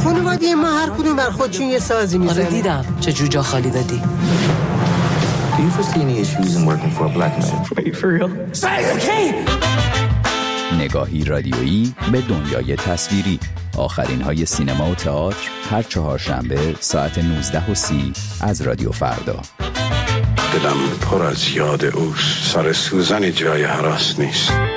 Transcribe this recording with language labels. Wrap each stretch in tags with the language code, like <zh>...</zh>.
<fa>خانواده ما هر کدوم بر خودشون یه سازی میزنه. آره دیدم چه جوجه خالی دادی.</fa> <en>Do you foresee any issues in working for a black man? Wait, for real? Say it again!</en> <fa>نگاهی رادیویی به دنیای تصویری، آخرین های سینما و تئاتر هر چهارشنبه ساعت 19:30 از رادیو فردا. دلم پر از یاد اوست، سر سوزنی جای هراس نیست.</fa>